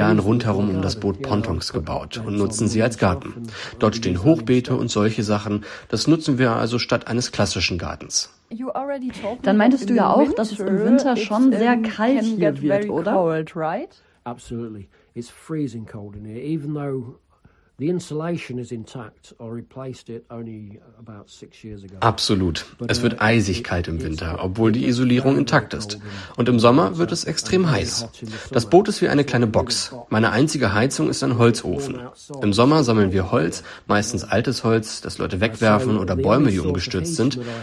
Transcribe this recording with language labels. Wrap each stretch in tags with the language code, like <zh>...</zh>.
<de>Und nutzen sie als Garten. Dort stehen Hochbeete und solche Sachen. Das nutzen wir also statt eines klassischen Gartens. Dann meintest du ja auch, dass es im Winter schon sehr kalt hier wird, oder?</de> <en>Absolutely. It's freezing cold in here, even though the insulation is intact. I replaced it only about 6 years ago.</en> <de>Absolut. Es wird eisig kalt im Winter, obwohl die Isolierung intakt ist. Und im Sommer wird es extrem heiß. Das Boot ist wie eine kleine Box. Meine einzige Heizung ist ein Holzofen. Im Sommer sammeln wir Holz, meistens altes Holz, das Leute wegwerfen oder Bäume, die umgestürzt sind.</de>